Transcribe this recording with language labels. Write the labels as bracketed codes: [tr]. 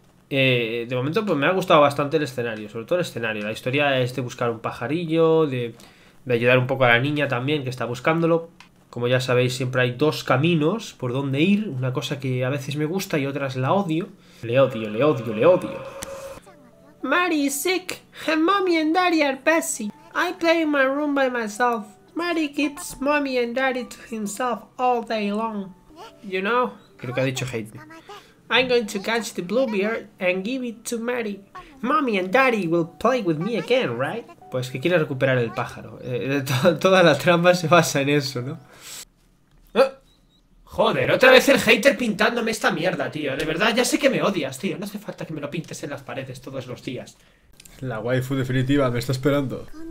[es] De momento, pues me ha gustado bastante el escenario, sobre todo el escenario. La historia es de buscar un pajarillo, de ayudar un poco a la niña también que está buscándolo. Como ya sabéis, siempre hay dos caminos por donde ir. Una cosa que a veces me gusta y otras la odio. Le odio, le odio, le odio. [en] Mary is sick. Her mommy and daddy are busy. I play in my room by myself. Mary keeps mommy and daddy to himself all day long. You know? [es] Creo que ha dicho Hayden. [en] I'm going to catch the bluebird and give it to Mary. Mommy and Daddy will play with me again, right? [es] Pues que quiere recuperar el pájaro. Toda la trama se basa en eso, ¿no? Joder, otra vez el hater pintándome esta mierda, tío. De verdad, ya sé que me odias, tío. No hace falta que me lo pintes en las paredes todos los días. La waifu definitiva me está esperando.